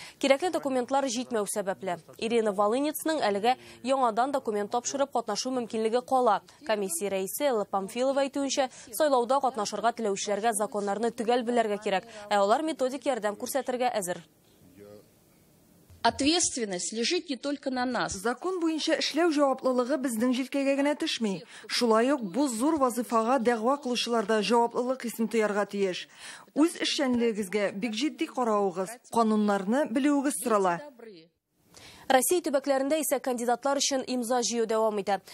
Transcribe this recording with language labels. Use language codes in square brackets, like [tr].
[tt] Кирәкле документлар җитмәү сәбәпле. Ирина Волынецның әлегә яңадан документ тапшырып катнашу мөмкинлеге кала. Комиссия рәисе Элла Памфилова әйтүенчә, сайлауда катнашырга теләүчеләргә законнарны төгәл белергә кирәк, ә алар методик ярдәм күрсәтергә әзер. [ru] Ответственность лежит не только на нас. [tt] Закон буенча эшләү җаваплылыгы безнең җилкәгә генә төшми. Шулай ук бу зур вазифага дәгъва кылучыларда җаваплылык исем тоярга тиеш. Үз эшчәнлегегезгә бик җитди карауыгыз, канунларны белеугез сорала. Россия төбәкләрендә исә кандидатлар өчен имза җыю дәвам итә.